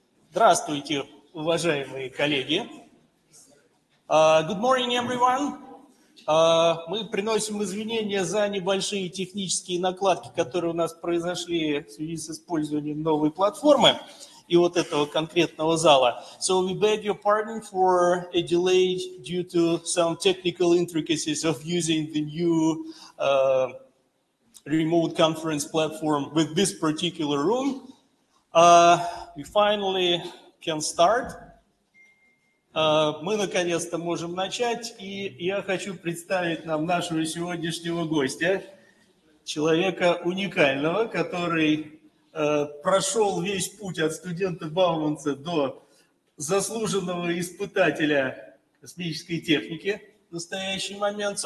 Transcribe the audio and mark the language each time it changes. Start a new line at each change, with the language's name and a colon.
Russian: Здравствуйте, уважаемые коллеги.
English: Good morning, everyone.
Russian: Мы приносим извинения за небольшие технические накладки, которые у нас произошли в связи с использованием новой платформы и вот этого конкретного зала.
English: So we beg your pardon for a delay due to some technical intricacies of using the new remote conference platform with this particular room. We finally can start.
Russian: Мы наконец-то можем начать, и я хочу представить нам нашего сегодняшнего гостя, человека уникального, который прошел весь путь от студента Бауманса до заслуженного испытателя космической техники в настоящий момент.